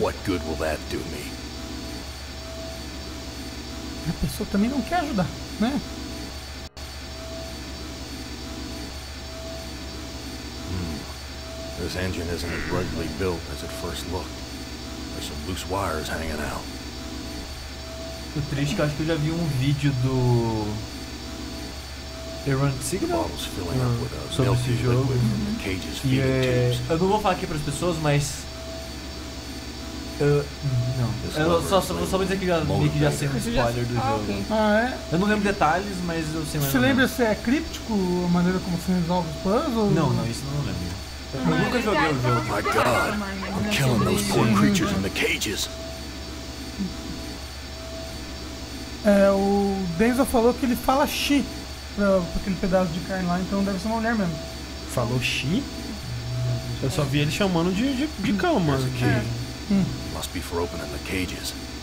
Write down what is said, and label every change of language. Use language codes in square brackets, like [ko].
[en] What good will that do me? [pt] A pessoa também não quer ajudar, né? [en] This engine isn't as rugged built as it first looked. There's some loose wires hanging out. [pt] O triste que eu acho que eu já vi um vídeo do Errant Signal sobre esse jogo. E eu não vou falar aqui para as pessoas, mas Eu só vou dizer que já sei um spoiler do jogo. Ah, é? Eu não lembro detalhes, mas eu sei mais. Você lembra se é críptico a maneira como você resolve os puzzles? Ou... Não, isso eu não lembro. Eu nunca joguei o jogo. [en] My God, I'm killing those poor creatures in the cages. [pt] É, o Denzel falou que ele fala chi pra aquele pedaço de carne lá, então deve ser uma mulher mesmo. Falou chi? Eu só vi ele chamando de cão, mano. É. [en] Must be for opening the cages.